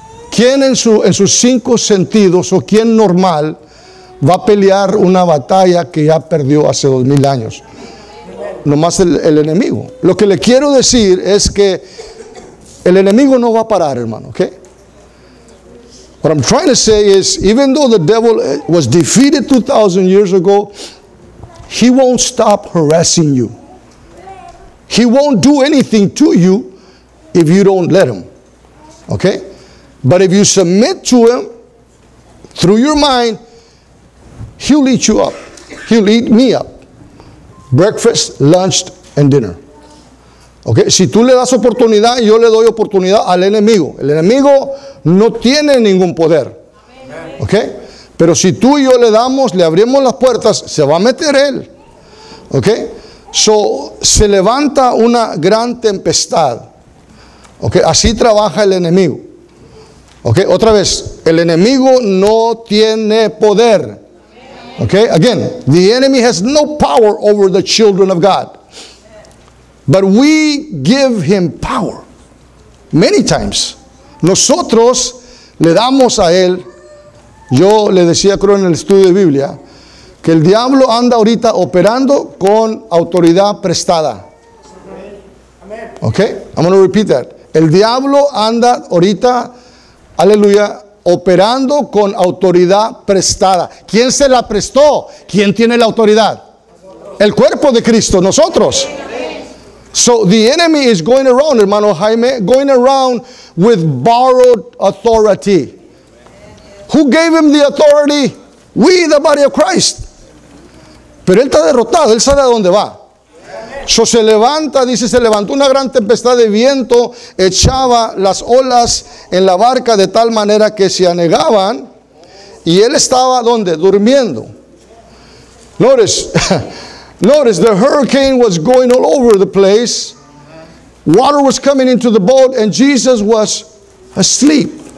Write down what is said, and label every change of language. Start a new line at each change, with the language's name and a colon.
Spanish: ¿Quién en sus cinco sentidos, o quién normal, va a pelear una batalla que ya perdió hace 2000 años? Nomás el enemigo. Lo que le quiero decir es que el enemigo no va a parar, hermano.
English: ¿Okay? What I'm trying to say is, even though the devil was defeated 2,000 years ago, he won't stop harassing you. He won't do anything to you if you don't let him. ¿Okay? But if you submit to him through your mind, he'll eat you up. He'll eat me up. Breakfast, lunch, and dinner. Okay?
Spanish: Si tú le das oportunidad, yo le doy oportunidad al enemigo. El enemigo no tiene ningún poder. Okay? Pero si tú y yo le damos, le abrimos las puertas, se va a meter él. Okay? So, se levanta una gran tempestad. Okay? Así trabaja el enemigo. Ok, otra vez, el enemigo no tiene poder.
English: Ok, again, the enemy has no power over the children of God. But we give him power. Many times.
Spanish: Nosotros le damos a él Yo le decía, creo, en el estudio de Biblia, que el diablo anda ahorita operando con autoridad prestada.
English: Okay, I'm going to repeat that.
Spanish: El diablo anda ahorita, aleluya, operando con autoridad prestada. ¿Quién se la prestó? ¿Quién tiene la autoridad? El cuerpo de Cristo, nosotros.
English: So the enemy is going around, hermano Jaime, going around with borrowed authority. Who gave him the authority? We, the body of Christ.
Spanish: Pero él está derrotado, él sabe a dónde va. So se levanta, dice, se levantó una gran tempestad de viento, echaba las olas en la barca de tal manera que se anegaban, y él estaba, ¿dónde? Durmiendo.
English: Notice, the hurricane was going all over the place. Water was coming into the boat and Jesus was asleep.